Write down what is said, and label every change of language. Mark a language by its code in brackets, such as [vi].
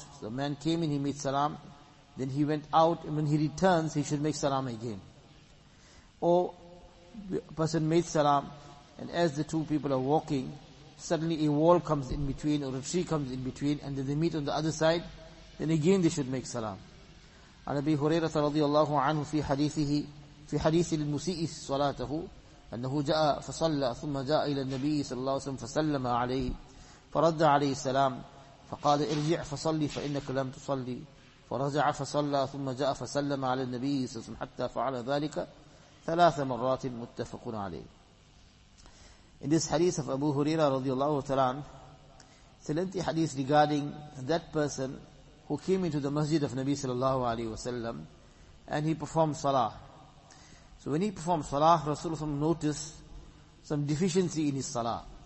[en] So the man came in, he made salam, then he went out, and when he returns, he should make salam again. Or the person made salam, and as the two people are walking, suddenly a wall comes in between, or a tree comes in between, and then they meet on the other side, then again they should make salam. [ar] عن أبي هريرة رضي الله عنه في حديثه في حديث المسيء صلاته أنه جاء فصلى ثم جاء إلى النبي صلى الله عليه وسلم فسلم عليه فرد عليه السلام فقال ارجع فصلي فإنك لم تصلي فرجع فصلى ثم جاء فسلم على النبي صلى الله عليه وسلم حتى فعل ذلك ثلاث مرات متفق عليه. [en] In this hadith of Abu Huraira [ar] رضي الله تعالى عنه, [en] it's a lengthy hadith regarding that person who came into the masjid of Nabi sallallahu alayhi wa sallam and he performed salah. So when he performed salah, Rasulullah noticed some deficiency in his salah.